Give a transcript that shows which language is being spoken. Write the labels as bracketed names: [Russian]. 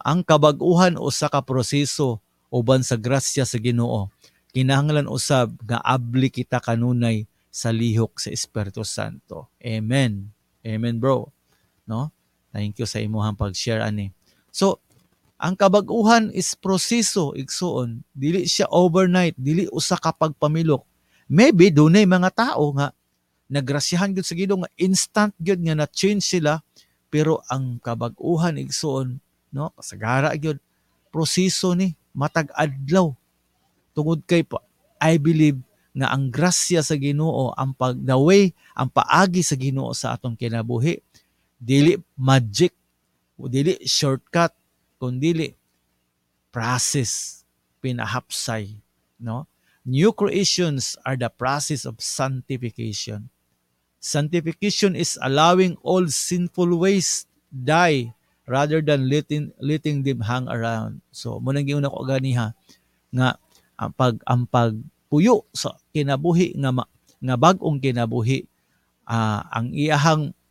[Cebuano] Ang kabag-uhan usa ka proseso uban sa grasya sa Ginoo. Kinahanglan usab nga abli kita kanunay sa lihok sa Espiritu Santo. Amen. Amen, bro. No? [English] Thank you [Cebuano] sa imuhang pag-share ani. So, ang kabag-uhan is proseso igsoon. Dili siya overnight, dili usa ka pagpamilok. Maybe dunay mga tao nga nagrasyahan gyud sa Ginoo nga instant gyud nga na-change sila, pero ang kabag-uhan igsoon, no, kasagara gyud proseso ni matag adlaw. Tungod kay pa, [English] I believe [Cebuano] nga ang grasya sa Ginoo, ang pagdaway, ang paagi sa Ginoo sa atong kinabuhi, dili magic, dili shortcut, kundi process, pinahapsay, no? [English] New creations are the process of sanctification. Sanctification is allowing old sinful ways die rather than letting them hang around. [Cebuano] So munang giuna ko ganiha nga ang pag puyo sa kinabuhi nga bag-ong kinabuhi, ang iyahang